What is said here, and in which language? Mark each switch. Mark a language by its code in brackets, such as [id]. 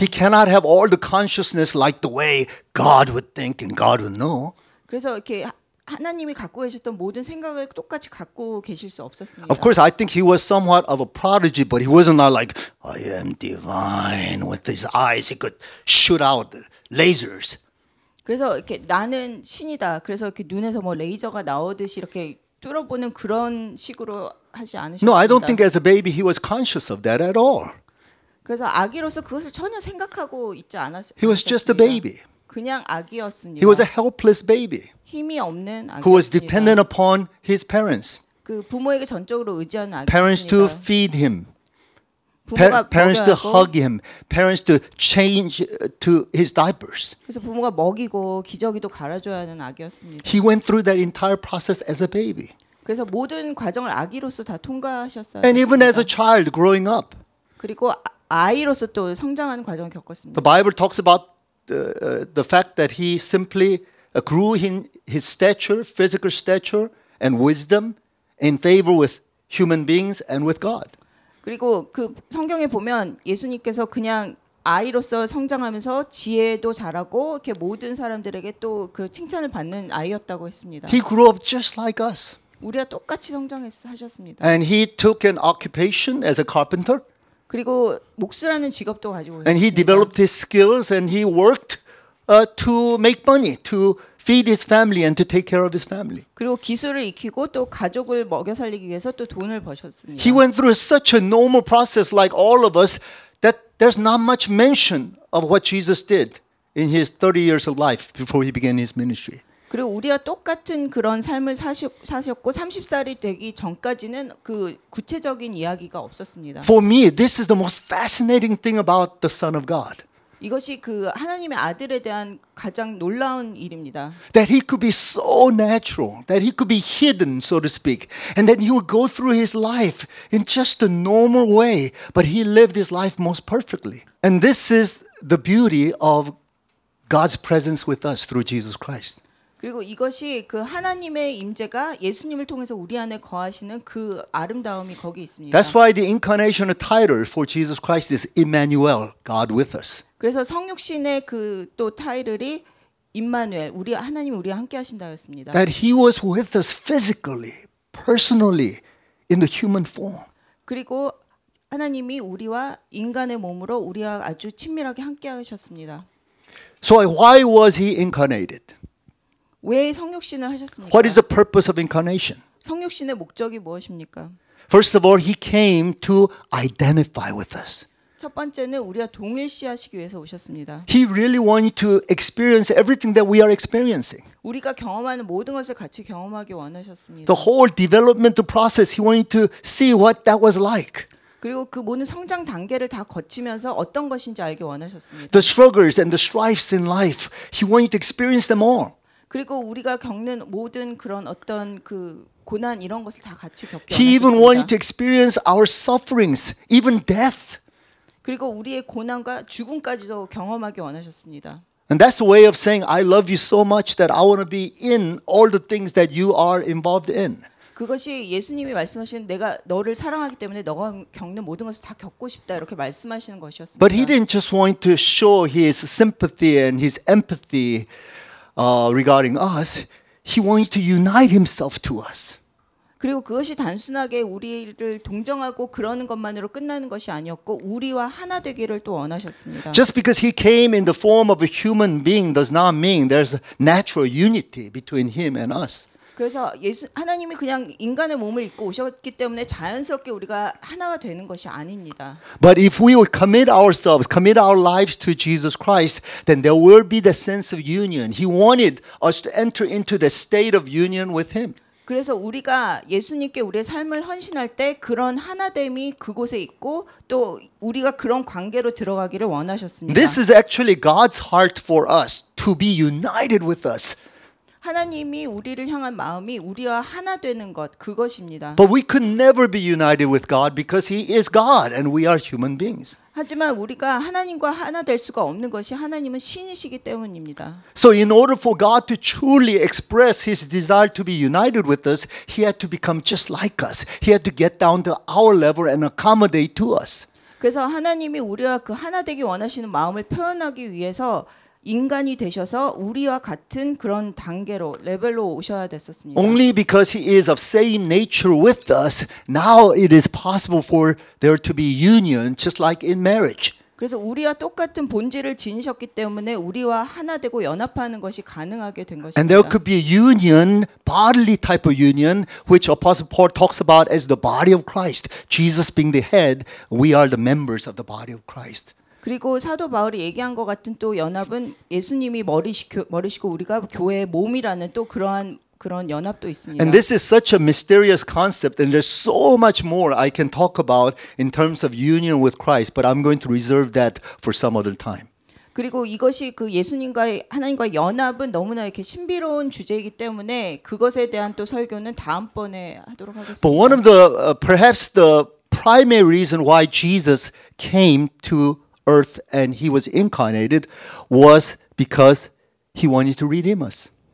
[en] He cannot have all the consciousness like the way God would think and God would know. [ko] 그래서 이렇게 하나님이 갖고 계셨던 모든 생각을 똑같이 갖고 계실 수 없었습니다. [en] Of course, I think he was somewhat of a prodigy, but he was not like I am divine. With his eyes, he could shoot out lasers. [ko] 그래서 이렇게 나는 신이다. 그래서 이렇게 눈에서 뭐 레이저가 나오듯이 이렇게 뚫어보는 그런 식으로 하지 않으셨습니다. [en] No, I don't think as a baby he was conscious of that at all. [ko] 그래서 아기로서 그것을 전혀 생각하고 있지 않았습니다. [en] He was just a baby. [ko] 그냥 아기였습니다. [en] He was a helpless baby. [ko] 힘이 없는 아기. [en] Who was dependent upon his parents. [ko] 그 부모에게 전적으로 의지하는 아기. [en] Parents to feed him. Parents to hug him. Parents to change to his diapers. [ko] 그래서 부모가 먹이고 기저귀도 갈아줘야 하는 아기였습니다. [en] He went through that entire process as a baby. [ko] 그래서 모든 과정을 아기로서 다 통과하셨어요. [en] And even as a child growing up. [ko] 그리고 아이로서 또 성장하는 과정을 겪었습니다. [en] The Bible talks about the fact that he simply grew in his stature, physical stature, and wisdom in favor with human beings and with God. [ko] 그리고 그 성경에 보면 예수님께서 그냥 아이로서 성장하면서 지혜도 자라고 이렇게 모든 사람들에게 또 그 칭찬을 받는 아이였다고 했습니다. [en] He grew up just like us. [ko] 우리가 똑같이 성장하셨습니다. [en] And he took an occupation as a carpenter. [ko] 그리고 목수라는 직업도 가지고 있습니다. [en] And he developed his skills and he worked to make money to feed his family and to take care of his family. [ko] 그리고 기술을 익히고 또 가족을 먹여 살리기 위해서 또 돈을 버셨습니다. [en] He went through such a normal process like all of us that there's not much mention of what Jesus did in his 30 years of life before he began his ministry. [ko] 그리고 우리와 똑같은 그런 삶을 사셨고 30살이 되기 전까지는 그 구체적인 이야기가 없었습니다. [en] For me, this is the most fascinating thing about the Son of God. [ko] 이것이 그 하나님의 아들에 대한 가장 놀라운 일입니다. [en] That he could be so natural, that he could be hidden, so to speak, and that he would go through his life in just a normal way, but he lived his life most perfectly. And this is the beauty of God's presence with us through Jesus Christ. [ko] 그리고 이것이 그 하나님의 임재가 예수님을 통해서 우리 안에 거하시는 그 아름다움이 거기 있습니다. [en] That's why the incarnational title for Jesus Christ is Emmanuel, God with us. [ko] 그래서 성육신의 그 또 타이틀이 임마누엘, 우리 하나님 우리와 함께하신다였습니다. [en] That he was with us physically, personally, in the human form. [ko] 그리고 하나님이 우리와 인간의 몸으로 우리와 아주 친밀하게 함께하셨습니다. [en] So why was he incarnated? [ko] 왜 성육신을 하셨습니까? [en] What is the purpose of incarnation? [ko] 성육신의 목적이 무엇입니까? [en] First of all, he came to identify with us. [ko] 첫 번째는 우리와 동일시하시기 위해서 오셨습니다. [en] He really wanted to experience everything that we are experiencing. [ko] 우리가 경험하는 모든 것을 같이 경험하기 원하셨습니다. [en] The whole developmental process, he wanted to see what that was like. [ko] 그리고 그 모든 성장 단계를 다 거치면서 어떤 것인지 알기 원하셨습니다. [en] The struggles and the strifes in life, he wanted to experience them all. [ko] 그리고 우리가 겪는 모든 그런 어떤 그 고난 이런 것을 다 같이 겪게 [en] He even wanted to experience our sufferings, even death. [ko] 그리고 우리의 고난과 죽음까지도 경험하기 원하셨습니다. [en] And that's a way of saying I love you so much that I want to be in all the things that you are involved in. [ko] 그것이 예수님이 말씀하신 내가 너를 사랑하기 때문에 너가 겪는 모든 것을 다 겪고 싶다 이렇게 말씀하시는 것이었습니다. [en] But he didn't just want to show his sympathy and his empathy regarding us. He wanted to unite himself to us. [ko] 그리고 그것이 단순하게 우리를 동정하고 그러는 것만으로 끝나는 것이 아니었고 우리와 하나 되기를 또 원하셨습니다. [en] Just because he came in the form of a human being does not mean there's a natural unity between him and us. [ko] 그래서 예수 하나님이 그냥 인간의 몸을 입고 오셨기 때문에 자연스럽게 우리가 하나가 되는 것이 아닙니다. [en] But if we will commit ourselves, commit our lives to Jesus Christ, then there will be the sense of union. He wanted us to enter into the state of union with him. [ko] 그래서 우리가 예수님께 우리의 삶을 헌신할 때 그런 하나됨이 그곳에 있고 또 우리가 그런 관계로 들어가기를 원하셨습니다. [en] This is actually God's heart for us to be united with us. [ko] 하나님이 우리를 향한 마음이 우리와 하나 되는 것 그것입니다. [en] But we could never be united with God because He is God and we are human beings. [ko] 하지만 우리가 하나님과 하나 될 수가 없는 것이 하나님은 신이시기 때문입니다. [en] So in order for God to truly express His desire to be united with us, He had to become just like us. He had to get down to our level and accommodate to us. [ko] 그래서 하나님이 우리와 그 하나 되기 원하시는 마음을 표현하기 위해서 인간이 되셔서 우리와 같은 그런 단계로 레벨로 오셔야 됐었습니다. [en] Only because he is of same nature with us, now it is possible for there to be union just like in marriage. [ko] 그래서 우리와 똑같은 본질을 지니셨기 때문에 우리와 하나 되고 연합하는 것이 가능하게 된 것입니다. [en] And there could be a union, bodily type of union which Apostle Paul talks about as the body of Christ. Jesus being the head, we are the members of the body of Christ. [ko] 그리고 사도 바울이 얘기한 것 같은 또 연합은 예수님이 머리시고 우리가 교회의 몸이라는 또 그런 연합도 있습니다. [en] And this is such a mysterious concept and there's so much more I can talk about in terms of union with Christ, but I'm going to reserve that for some other time. [ko] 그리고 이것이 그 예수님과의 하나님과의 연합은 너무나 이렇게 신비로운 주제이기 때문에 그것에 대한 또 설교는 다음번에 하도록 하겠습니다. [en] But one of the perhaps the primary reason why Jesus came to earth and he was incarnated was because he wanted to redeem us.